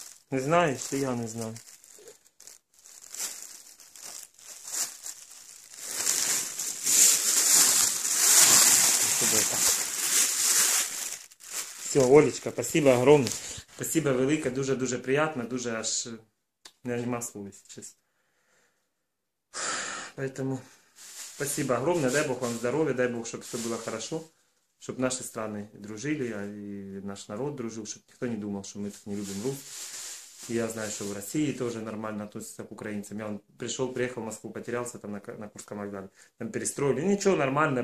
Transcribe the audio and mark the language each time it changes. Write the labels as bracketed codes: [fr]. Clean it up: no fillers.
[ru] Не знаешь? Я не знаю. Все, Олечка, спасибо огромное. [uk] Спасибо велике, дуже-дуже приятно, дуже аж... [ru] Я не могу слова сейчас. Поэтому спасибо огромное. Дай Бог вам здоровья. Дай Бог, чтобы все было хорошо. Чтобы наши страны дружили. И наш народ дружил. Чтобы никто не думал, что мы так не любим русских. И я знаю, что в России тоже нормально относятся к украинцам. Я вон пришел, приехал в Москву, потерялся там на Курском вокзале. Там перестроили. Ничего нормального.